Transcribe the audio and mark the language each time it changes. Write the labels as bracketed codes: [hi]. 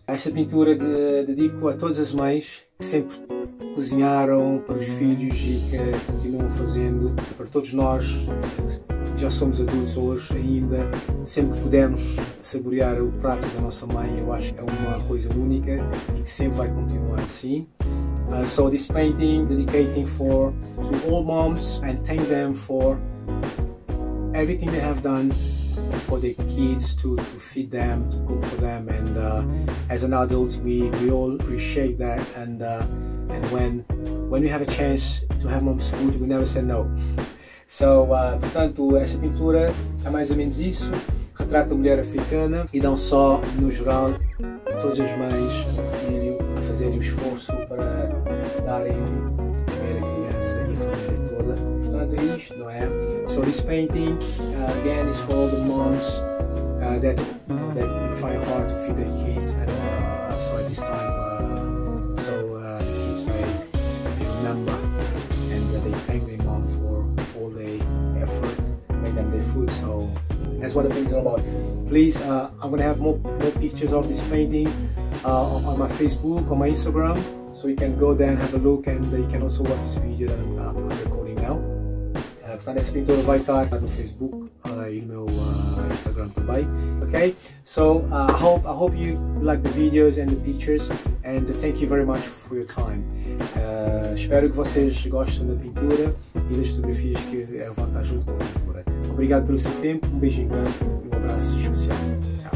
[pt] Esta pintura dedico a todas as mães que sempre cozinharam para os filhos e que continuam fazendo para todos nós. Já somos adultos hoje ainda, sempre que pudermos saborear o prato da nossa mãe, eu acho que é uma coisa única e que sempre vai continuar assim. [en] So this painting dedicating for to all moms and thank them for everything they have done for their kids, to feed them, to cook for them, and as an adult we all appreciate that, and when we have a chance to have mom's food, we never say no. [pt] Portanto, esta pintura é mais ou menos isso, retrata a mulher africana e não só, no geral, todas as mães do filho a fazerem o esforço para darem de comer a criança e a família toda. Portanto, é isto, não é? [en] So this painting, again, is for the moms that try hard to feed their kids, and so at this time, that's what the painting is all about. Please, I'm gonna have more pictures of this painting on my Facebook, on my Instagram, so you can go there and have a look, and you can also watch this video that I'm recording now. [pt] Portanto, essa pintura vai estar no Facebook e no meu Instagram também. [en] Okay? So I hope you like the videos and the pictures, and thank you very much for your time. [pt] Espero que vocês gostem da pintura e das fotografias que eu vou estar junto com a pintura. Obrigado pelo seu tempo, um beijinho grande e um abraço especial.